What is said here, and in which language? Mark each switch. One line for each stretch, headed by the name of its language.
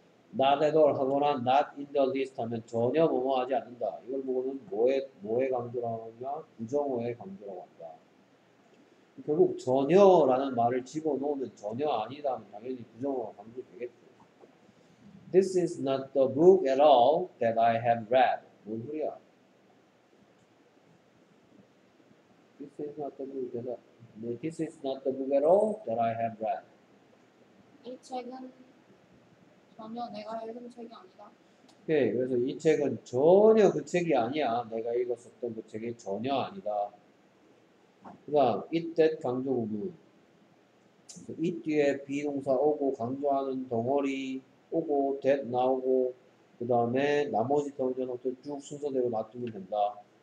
English: Not at all
Korean: 하거나
English: not in the list
Korean: 하면 전혀 뭐뭐하지 않는다. 이걸 보고는 뭐에 강조라고 하냐? 부정어에 강조라고 한다. 결국 전혀라는 말을 집어넣으면 전혀 아니다. 당연히 부정어가 강조되겠죠.
English: This is not the book at all that I have read.
Korean: 뭔 소리야?
English: This is not the book at all. This is not the book at all that I have read.
Korean: 이 책은 전혀 내가 읽은 책이 아니다. 오케이, 그래서 이 책은 전혀 그 책이 아니야. 내가 읽었었던 그 책이 전혀 아니다. 그다음 it that 강조 부분. it 뒤에 be 동사 오고 강조하는 덩어리 오고 that 나오고 그다음에 나머지 덩어리들 쭉 순서대로 놔두면 된다.